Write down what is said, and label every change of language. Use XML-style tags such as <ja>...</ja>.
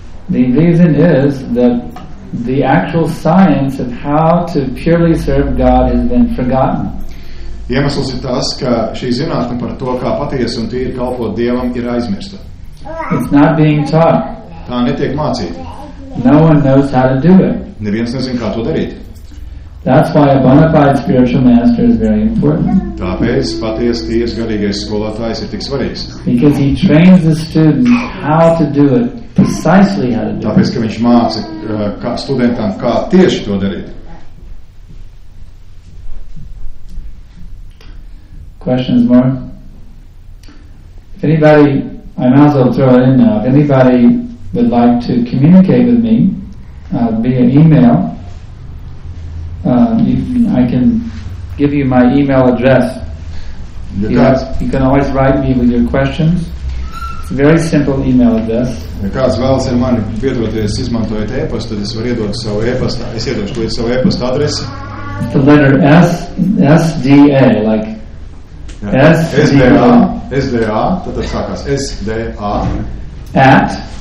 <en>The reason is that the actual science of how to purely serve God has been forgotten.</en> <lv>Iemesls ir tas, ka šī zinātne par to, kā patiesi un tīri kalpot Dievam, ir aizmirsta.</lv> <en>It's not being taught.</en> <lv>Tā netiek mācīta.</lv> <en>No one knows how to do it.</en> <lv>Neviens nezin, kā to darīt.</lv> <en>That's why a bona fide spiritual master is very important.</en> <lv>Tāpēc patiesi tiesa garīgais skolotājs ir tik svarīgs.</lv> <en>Because he trains the student how to do it, precisely how to do it.</en> <lv>Tāpēc, ka viņš māca kā studentam, kā tieši to darīt.</lv> <en>Questions more? If anybody, I might as well throw it in now, if anybody would like to communicate with me via email, I can give you my email address. You can always write me with your questions. It's a very simple email address.</en> <lv>Ja kāds vēlas ar mani piedoties, izmantojot e-pastu, tad es varu iedot savu e-pastu. Es iedošu līdz savu e-pastu adresi.</lv> <en>The letter SDA, like</en> <lv>SDA, tad sākās SDA.</lv> <en>At</en>